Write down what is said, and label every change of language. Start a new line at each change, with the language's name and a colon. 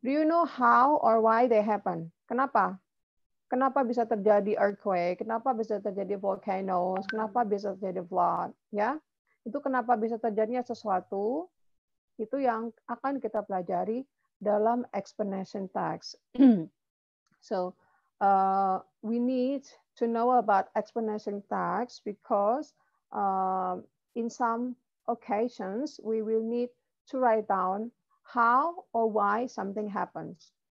English: Do you know how or why they happen?
Indonesian: Kenapa? Kenapa bisa terjadi earthquake? Kenapa bisa terjadi volcanoes? Kenapa bisa terjadi flood? Ya, itu kenapa bisa terjadinya sesuatu itu yang akan kita pelajari dalam explanation text.
English: So we need to know about explanation text because in some occasions we will need to write down how or why something happens.